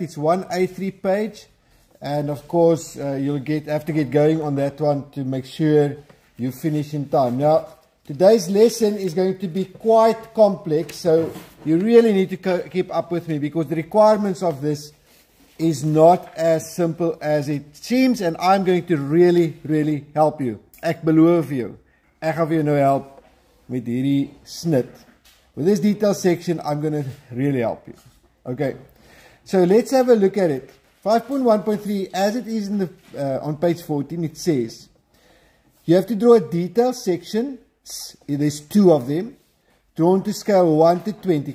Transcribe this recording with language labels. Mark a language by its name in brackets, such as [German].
[English] It's 1A3 page. And of course, you'll have to get going on that one to make sure you finish in time. Now, today's lesson is going to be quite complex, so you really need to keep up with me because the requirements of this is not as simple as it seems, and I'm going to really, really help you. [Afrikaans] Ek beloof jou. Ek gaan vir jou nou help met hierdie snit. [English] With this detail section, I'm going to really help you. Okay, so let's have a look at it. 5.1.3, as it is in the on page 14, it says, you have to draw a detail section. There's two of them. Drawn to scale 1 to 20.